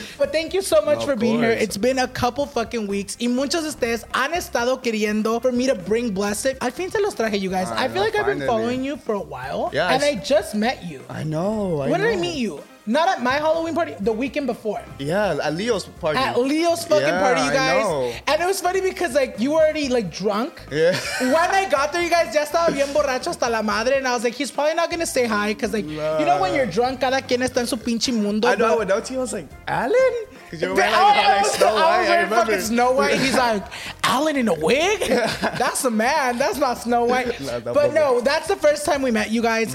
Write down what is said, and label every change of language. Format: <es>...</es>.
<en>But thank you so much for being here. It's been a couple fucking weeks.</en> <es>Y muchos de ustedes han estado queriendo</es> <en>for me to bring Blesiv.</en> <es>Al fin se los traje,</es> <en>you guys. I feel like I've been following you for a while. Yes. And I just met you. When did I meet you? Not at my Halloween party, the weekend before. Yeah, at Leo's party. At Leo's fucking party, you guys. And it was funny because, like, you were already, like, drunk. Yeah. When I got there, you guys,</en> <es>ya estaba bien borracho hasta la madre.</es> <en>And I was like, he's probably not going to say hi because, like, you know when you're drunk,</en> <es>cada quien está en su pinche mundo.</es> <en>I know, but now I was like, Alan? I was wearing fucking Snow White. He's like, Alan in a wig? That's a man. That's not Snow White. That's the first time we met, you guys.</en>